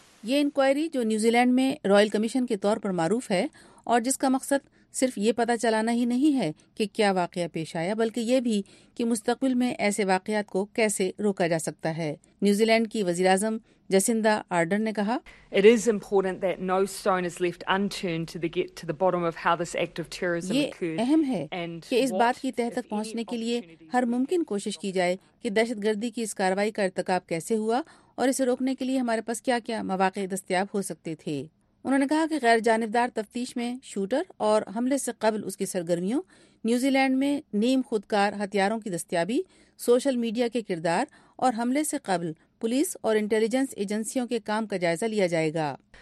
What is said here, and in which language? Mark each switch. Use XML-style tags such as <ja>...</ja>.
<ur>یہ انکوائری, جو New Zealand میں رائل کمیشن کے طور پر معروف ہے اور جس کا مقصد صرف یہ پتہ چلانا ہی نہیں ہے کہ کیا واقعہ پیش آیا, بلکہ یہ بھی کہ مستقبل میں ایسے واقعات کو کیسے روکا جا سکتا ہے. نیوزی لینڈ کی وزیراعظم جیسنڈا آرڈن نے کہا,</ur> <en>It is important that no stone is left unturned to get to the bottom of how this act of terrorism occurred.</en> <ur>یہ اہم ہے کہ اس بات کی تہ تک پہنچنے کے لیے ہر ممکن کوشش کی جائے کہ دہشت گردی کی اس کاروائی کا ارتکاب کیسے ہوا اور اسے روکنے کے لیے ہمارے پاس کیا کیا مواقع دستیاب ہو سکتے تھے. انہوں نے کہا کہ غیر جانبدار تفتیش میں شوٹر اور حملے سے قبل اس کی سرگرمیوں, نیوزی لینڈ میں نیم خودکار ہتھیاروں کی دستیابی, سوشل میڈیا کے کردار اور حملے سے قبل پولیس اور انٹیلیجنس ایجنسیوں کے کام کا جائزہ لیا جائے گا.</ur>